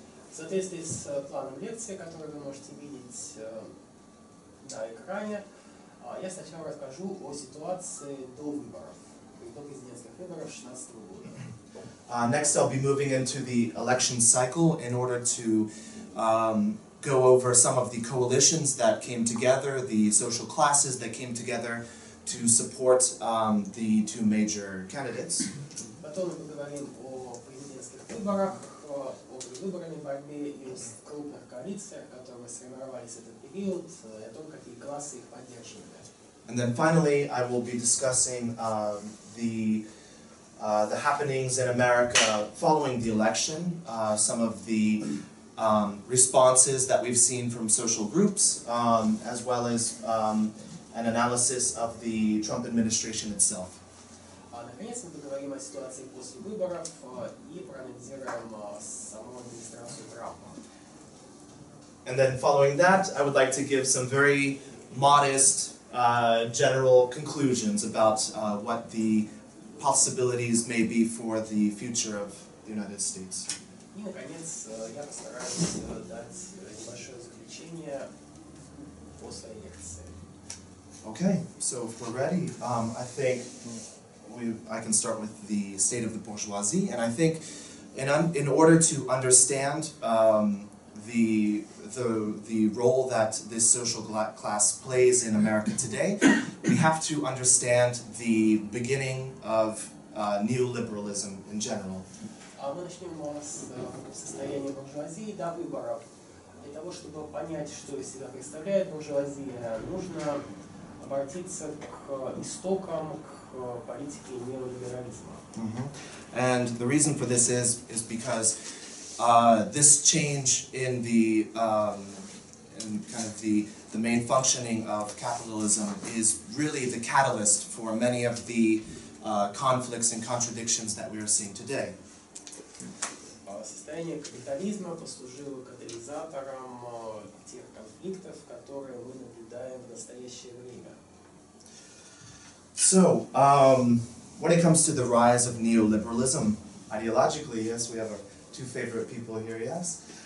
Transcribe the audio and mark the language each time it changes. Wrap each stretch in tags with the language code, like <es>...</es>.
<ru>Соответственно, с планом лекции, который вы можете видеть на экране, я сначала расскажу о ситуации до выборов, до президентских выборов 16-го года.</ru> <en>Next, I'll be moving into the election cycle in order to go over some of the coalitions that came together, the social classes that came together to support the two major candidates.</en> <ru>Потом мы поговорим о президентских выборах, выборами, борьбе и крупных коалициях, которые сформировались в этот период, о том, какие классы их поддерживали.</ru> <en>And then finally, I will be discussing the happenings in America following the election, some of the responses that we've seen from social groups, as well as an analysis of the Trump administration itself.</en> <ru>Наконец, мы поговорим о ситуации после выборов и проанализируем саму администрацию Трампа.</ru> <en>And then following that, I would like to give some very modest general conclusions about what the possibilities may be for the future of the United States.</en> <ru>И наконец, я постараюсь дать небольшое заключение после лекции.</ru> <en>Okay, so if we're ready, I think I can start with the state of the bourgeoisie, and I think in order to understand the role that this social class plays in America today, we have to understand the beginning of neoliberalism in general.</en> <ru>Мы начнем с состояния буржуазии до выборов. Для того, чтобы понять, что из себя представляет буржуазия, нужно обратиться к истокам, к политике неолиберализма.</ru> <en>And the reason for this is because this change in the in kind of the main functioning of capitalism is really the catalyst for many of the conflicts and contradictions that we are seeing today.</en> <ru>Состояние капитализма послужило катализатором тех конфликтов, которые мы наблюдаем в настоящее время.</ru> <en>So, when it comes to the rise of neoliberalism, ideologically, yes, we have two favorite people here, yes?</en>